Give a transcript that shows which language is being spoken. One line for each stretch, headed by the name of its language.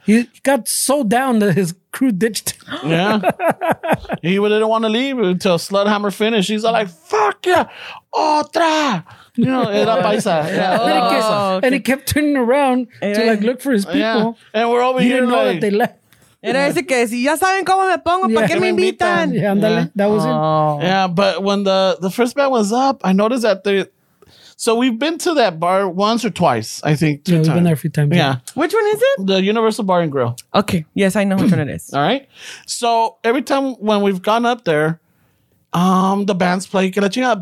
English: He got so down that his crew ditched him. Yeah. He didn't want to leave until Sludhammer finished. He's like, fuck yeah, otra! You know,
Spanish: era paisa.
English: Yeah. Oh, and he kept turning around to like look for his people. Yeah. And we're over here. He didn't know like, that they left.
Spanish: Era ese que si ya saben cómo me pongo, ¿para qué me invitan?
English: Yeah, andale. That was him. Yeah, but when the first band was up, I noticed that they. So we've been to that bar once or twice, I think. We've been there a few times. Yeah. Which one is it? The Universal Bar and Grill. Okay. Yes, I know which one it is. All right. So every time when we've gone up there, the bands play Kelechina.